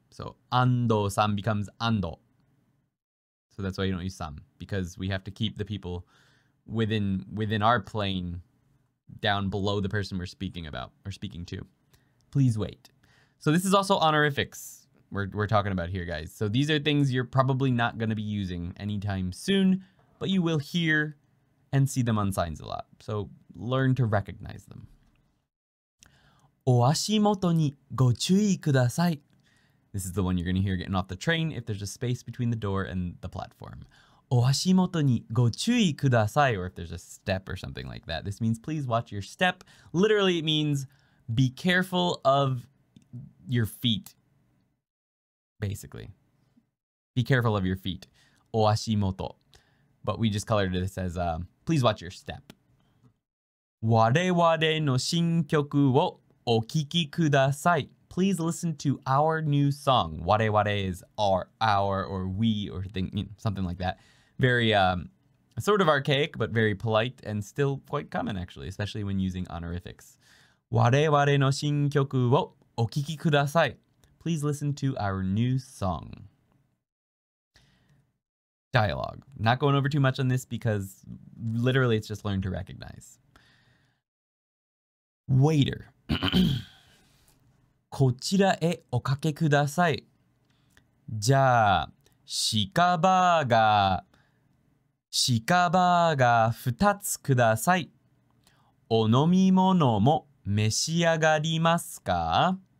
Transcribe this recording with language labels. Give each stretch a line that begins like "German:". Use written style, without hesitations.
English: So Ando-san becomes Ando. So that's why you don't use san, because we have to keep the people within our plane down below the person we're speaking about or speaking to. Please wait. So this is also honorifics we're talking about here, guys. So these are things you're probably not going to be using anytime soon, but you will hear and see them on signs a lot. So learn to recognize them.
Japanese: お足元にご注意ください。
English: This is the one you're going to hear getting off the train if there's a space between the door and the platform.
Japanese: お足元にご注意ください。
English: Or if there's a step or something like that. This means please watch your step. Literally, it means be careful of your feet. Basically. Be careful of your feet.
Japanese: お足元。
English: But we just colored it as please watch your step.
Japanese: 我々の新曲をお聞きください。
English: Please listen to our new song. 我々 is our or we or thing, you know, something like that. Very, sort of archaic, but very polite and still quite common, actually, especially when using honorifics.
Japanese: 我々の新曲をお聞きください。
English: Please listen to our new song. Dialogue. Not going over too much on this because literally it's just learn to recognize. Waiter.
Japanese: こちらへおかけください。じゃあ、シカバーガー。シカバーガー2つください。お飲み物も召し上がりますか？